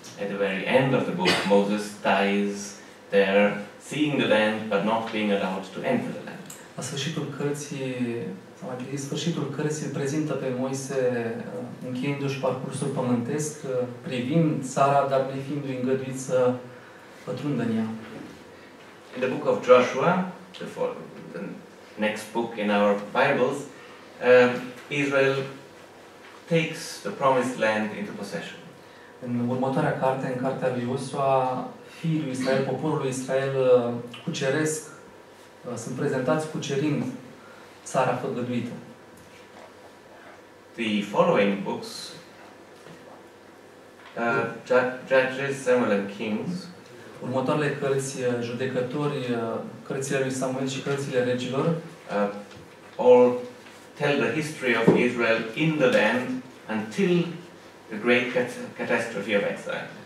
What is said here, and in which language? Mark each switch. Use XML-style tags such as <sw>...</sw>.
<en>At the very end of the book, Moses dies there, seeing the land, but not being allowed to enter the land.</en> <ro>La sfârșitul cărții, sau mai bine, sfârșitul cărții îl prezintă pe Moise încheiindu-și parcursul pământesc, privind țara, dar ne fiindu-i îngăduit să pătrundă în ea.</ro> <en>In the book of Joshua, the next book in our Bibles, Israel takes the promised land into possession.</en> <ro>În următoarea carte, în cartea lui Iosua, fiii lui Israel, poporul lui Israel cuceresc, sunt prezentați cucerind țara făgăduită.</ro> <en>The following books, Judges, Samuel and Kings,</en> <ro>următoarele cărți, judecători, cărțile lui Samuel și cărțile regilor,</ro> <en>all tell the history of Israel in the land until the great catastrophe of exile.</en>